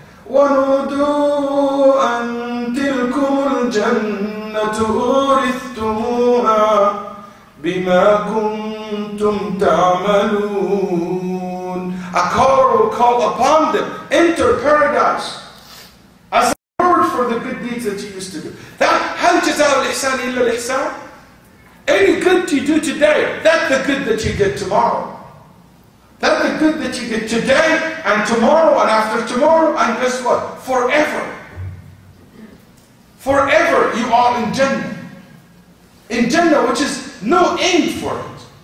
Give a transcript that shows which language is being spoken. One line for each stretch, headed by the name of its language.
Arabic: وَنُودُوا أَن تِلْكُمُ الْجَنَّةُ أُورِثْتُمُوهَا بِمَا كُنْتُمْ تَعْمَلُونَ.
English: A caller will call upon them, enter paradise as a reward for the good deeds that you used to do.
Arabic: That هل جزاء الإحسان إلا الإحسان.
English: Any good you do today, that's the good that you get tomorrow. That's the the good that you did today and tomorrow and after tomorrow, and guess what? Forever. Forever you are in Jannah. In Jannah, which is no end for it.